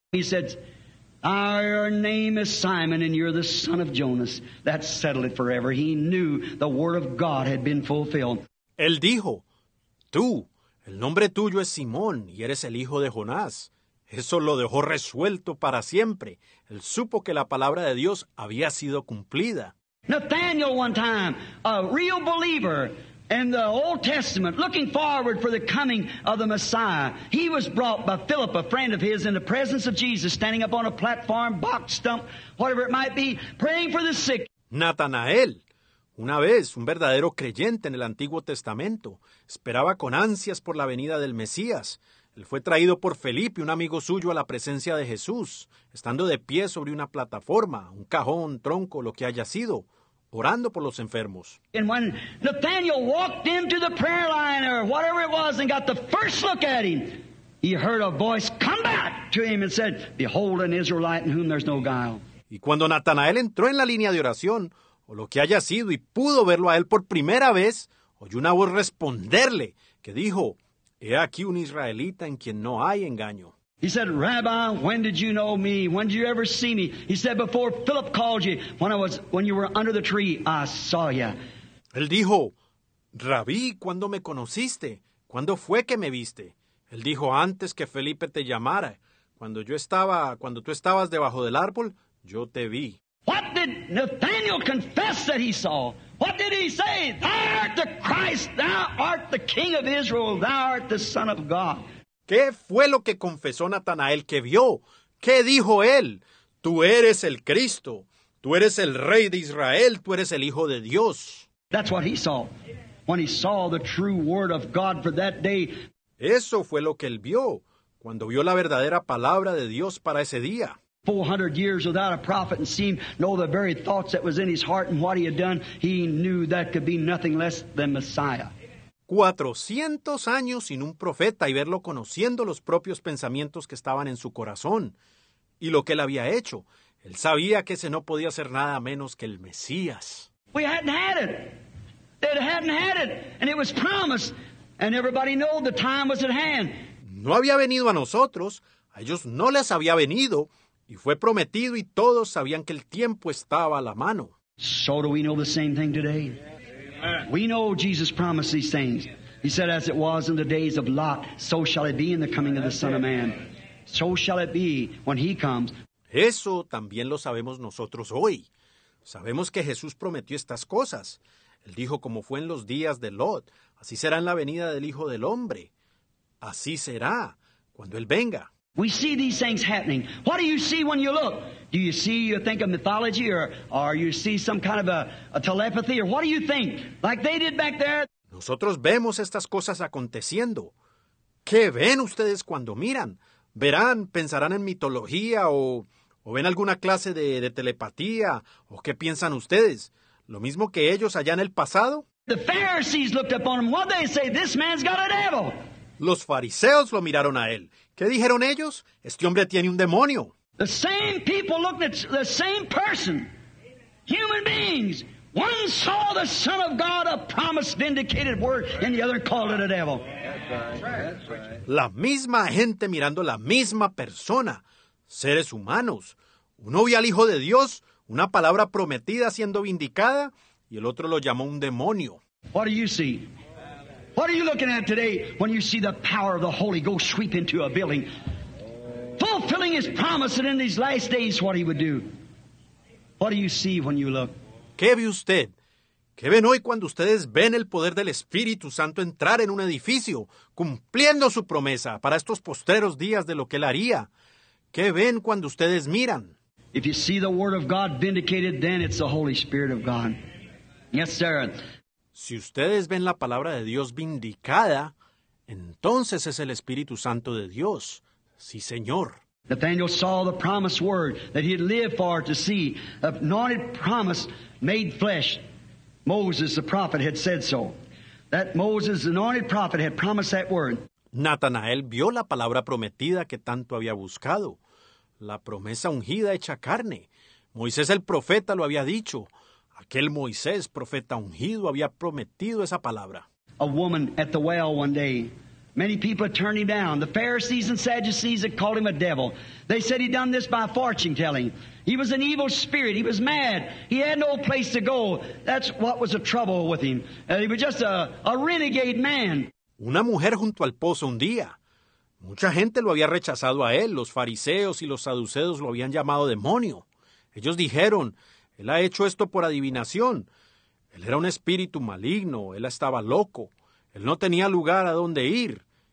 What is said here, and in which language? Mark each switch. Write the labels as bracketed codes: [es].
[en] He said, "Our name is Simon and you're the son of Jonas." That settled it forever. He knew the word of God had been fulfilled. [es] Él dijo, "Tú, el nombre tuyo es Simón y eres el hijo de Jonás." Eso lo dejó resuelto para siempre. Él supo que la palabra de Dios había sido cumplida. [en] Nathaniel one time, a real believer, in the Old Testament, looking forward for the coming of the Messiah, he was brought by Philip, a friend of his, in the presence of Jesus, standing up on a platform, box, stump, whatever it might be, praying for the sick. [es] Natanael, una vez un verdadero creyente en el Antiguo Testamento, esperaba con ansias por la venida del Mesías. Él fue traído por Felipe, un amigo suyo, a la presencia de Jesús, estando de pie sobre una plataforma, un cajón, tronco, lo que haya sido, orando por los enfermos. [en] And when Nathaniel walked into the prayer line or whatever it was and got the first look at him, he heard a voice come back to him and said, "Behold an Israelite in whom there's no guile." [es] Y cuando Natanael entró en la línea de oración, o lo que haya sido, y pudo verlo a él por primera vez, oyó una voz responderle que dijo, "He aquí un israelita en quien no hay engaño." [en] He said, "Rabbi, when did you know me? When did you ever see me?" He said, "Before Philip called you, when you were under the tree, I saw you." [es] Él dijo, "Rabí, ¿cuándo me conociste? ¿Cuándo fue que me viste?" Él dijo, "Antes que Felipe te llamara, cuando tú estabas debajo del árbol, yo te vi." [en] What did Nathanael confess that he saw? What did he say? "Thou art the Christ, thou art the King of Israel, thou art the Son of God." [es] ¿Qué fue lo que confesó Natanael que vio? ¿Qué dijo él? "Tú eres el Cristo. Tú eres el Rey de Israel. Tú eres el Hijo de Dios." [en] That's what he saw when he saw the true word of God for that day. [es] Eso fue lo que él vio cuando vio la verdadera palabra de Dios para ese día. [en] 400 years without a prophet and seemed to know the very thoughts that was in his heart and what he had done. He knew that could be nothing less than Messiah. [es] 400 años sin un profeta y verlo conociendo los propios pensamientos que estaban en su corazón y lo que él había hecho. Él sabía que ese no podía ser nada menos que el Mesías. [en] We hadn't had it. It hadn't had it. And it was promised. And everybody knew the time was at hand. [es] No había venido a nosotros. A ellos no les había venido. Y fue prometido y todos sabían que el tiempo estaba a la mano. [en] So do we know the same thing today? We know Jesus promised these things. He said, "As it was in the days of Lot, so shall it be in the coming of the Son of Man. So shall it be when he comes." [es] Eso también lo sabemos nosotros hoy. Sabemos que Jesús prometió estas cosas. Él dijo, como fue en los días de Lot, así será en la venida del Hijo del Hombre. Así será cuando Él venga. [en] We see these things happening. What do you see when you look? Do you see, you think of mythology, or you see some kind of a telepathy, or what do you think? Like they did back there. [es] Nosotros vemos estas cosas aconteciendo. ¿Qué ven ustedes cuando miran? Verán, pensarán en mitología, o, ¿O ven alguna clase de telepatía? ¿O qué piensan ustedes? ¿Lo mismo que ellos allá en el pasado? [en] The Pharisees looked upon him. What they say, this man's got a devil. [es] Los fariseos lo miraron a él. ¿Qué dijeron ellos? Este hombre tiene un demonio. [en] The same people looked at the same person. Human beings. One saw the Son of God, a promised, vindicated word, and the other called it a devil. [es] La misma gente mirando la misma persona. Seres humanos. Uno vio al Hijo de Dios, una palabra prometida siendo vindicada, y el otro lo llamó un demonio. [en] What do you see? What are you looking at today when you see the power of the Holy Ghost sweep into a building, fulfilling His promise that in these last days what He would do? What do you see when you look? [es] ¿Qué ve usted? ¿Qué ven hoy cuando ustedes ven el poder del Espíritu Santo entrar en un edificio, cumpliendo su promesa para estos postreros días de lo que Él haría? ¿Qué ven cuando ustedes miran? [en] If you see the Word of God vindicated, then it's the Holy Spirit of God. Yes, sir. [es] Si ustedes ven la palabra de Dios vindicada, entonces es el Espíritu Santo de Dios. Sí, Señor. [en] Nathanael saw the promised word that he had lived for to see, the anointed promise made flesh. Moses, the prophet, had said so. That Moses, the anointed prophet, had promised that word. [es] Natanael vio la palabra prometida que tanto había buscado, la promesa ungida hecha carne. Moisés el profeta lo había dicho. Aquel Moisés, profeta ungido, había prometido esa palabra. [en] A woman at the well one day. Many people turned him down. The Pharisees and Sadducees had called him a devil. They said he'd done this by fortune telling. He was an evil spirit. He was mad. He had no place to go. That's what was the trouble with him. He was just a renegade man. [es] Una mujer junto al pozo un día. Mucha gente lo había rechazado a él. Los fariseos y los saduceos lo habían llamado demonio. Ellos dijeron, él ha hecho esto por adivinación. Él era un espíritu maligno. Él estaba loco. Él no tenía lugar a dónde ir.